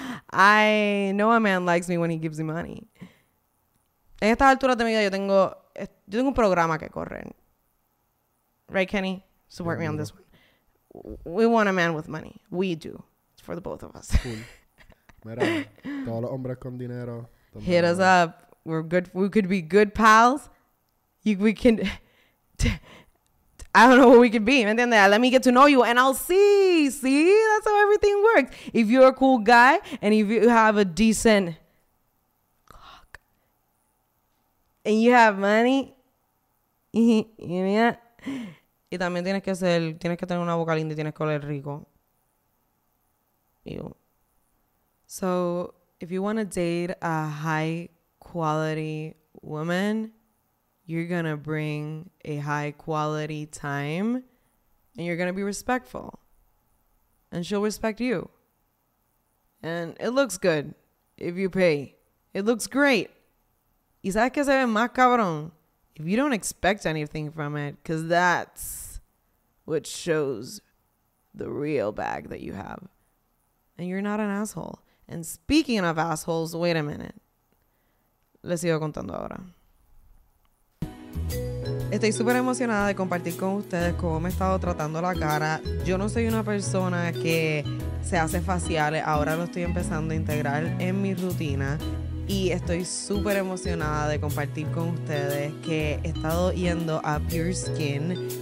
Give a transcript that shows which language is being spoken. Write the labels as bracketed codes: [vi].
[en] I know a man likes me when he gives me money. [es] En estas alturas de mi vida yo tengo un programa que correr. [en] Right, Kenny? Support me on this one. We want a man with money. We do. It's for the both of us. Cool. [es] Mira, todos los hombres con dinero. [en] Hit us up. We're good. We could be good pals. We can, I don't know what we could be, [es] ¿me entiendes? [en] Let me get to know you and I'll see, that's how everything works. If you're a cool guy and if you have a decent cock and you have money, [es] y también tienes que tener una boca linda y tienes que oler rico. [en] Ew. So if you want to date a high quality woman, you're gonna bring a high quality time and you're gonna be respectful. And she'll respect you. And it looks good if you pay. It looks great. [es] ¿Y sabes qué se ve más cabrón? [en] If you don't expect anything from it, because that's what shows the real bag that you have. And you're not an asshole. And speaking of assholes, wait a minute. [es] Le sigo contando ahora. Estoy súper emocionada de compartir con ustedes cómo me he estado tratando la cara. Yo no soy una persona que se hace faciales. Ahora lo estoy empezando a integrar en mi rutina. Y estoy súper emocionada de compartir con ustedes que he estado yendo a Pure Skin.